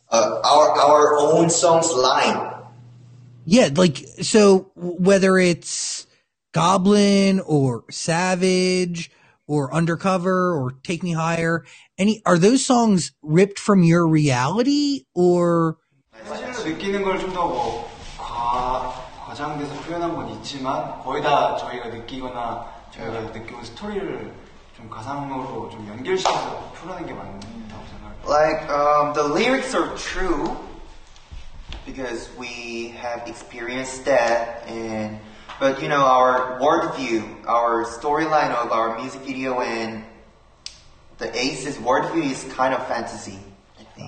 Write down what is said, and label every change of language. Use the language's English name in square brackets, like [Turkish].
[English] Our own song's line. Yeah, like, so whether it's Goblin or Savage or Undercover or Take Me Higher, any are those songs ripped from your reality or? [Korean] 느끼는 걸 좀 더 뭐 과장돼서 표현한 건 있지만 거의 다 저희가 느끼거나 저희가 느끼고 스토리를 좀 가상으로 좀 연결시켜서 풀어낸 게 맞는. [English] Like, the lyrics are true because we have experienced that and, but you know, our worldview, our storyline of our music video and the Ace's worldview is kind of fantasy, I think.